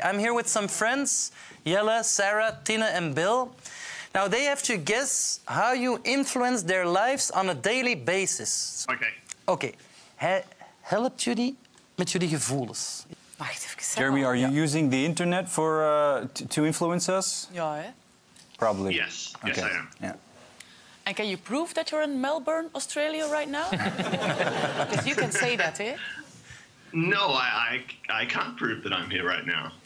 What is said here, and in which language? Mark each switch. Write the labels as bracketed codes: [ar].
[en] I'm here with some friends, Yella, Sarah, Tina and Bill. Now, they have to guess how you influence their lives on a daily basis. Okay. Okay. [nl] Helpt jullie met jullie gevoelens? Wacht even. [en] Jeremy, are you using the internet for to influence us? [nl] Ja, hè? [en] Probably. Yes. Okay. Yes, I am. Yeah. And can you prove that you're in Melbourne, Australia right now? Because you can say that, eh? No, I can't prove that I'm here right now.